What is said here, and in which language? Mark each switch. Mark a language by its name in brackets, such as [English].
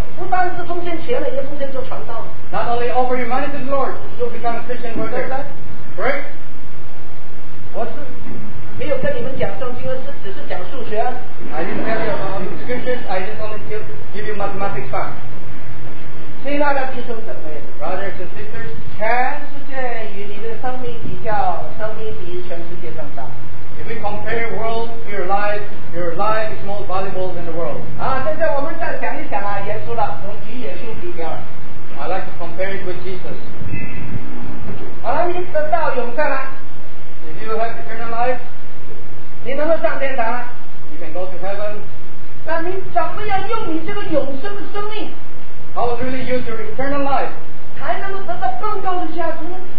[Chinese] 但是奉献钱了，也奉献做传道。 [English] Not only offer your money to the Lord, you'll become a Christian worker. Right? [Chinese] 我是没有跟你们讲圣经，是只是讲数学。 [English] I didn't tell you about scriptures. I just only give you mathematics fact. [Chinese] 亲爱的弟兄姊妹 [English] ，Brothers and sisters, [Chinese] 全世界与你的生命比较，生命比全世界更大。 [English] If we compare world to your life is more valuable than the world. [Chinese] 啊，现在我们再想一想啊，耶稣了，从主耶稣比较。 [English] I like to compare it with Jesus. [Chinese] 好了，你得到永生了。 [English] If you have eternal life, [Chinese] 你能够上天堂了。 [English] You can go to heaven. [Chinese] 那你怎么样用你这个永生的生命 [English] ？How to really use your eternal life? [Chinese] 还能够得到更高的价值呢